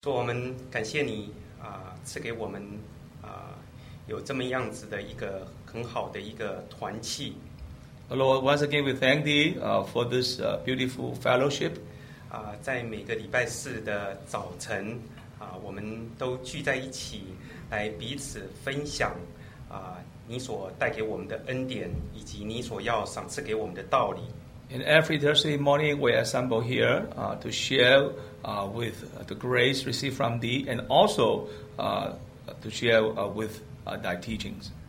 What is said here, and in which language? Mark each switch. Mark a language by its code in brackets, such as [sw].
[zh] 主，我们感谢你赐给我们有这么样子的一个很好的一个团契。 [en] Lord, once again we thank thee for this beautiful fellowship. [zh] 在每个礼拜四的早晨我们都聚在一起来彼此分享你所带给我们的恩典以及你所要赏赐给我们的道理。 [en] And every Thursday morning, we assemble here to share with the grace received from thee and also to share with thy teachings.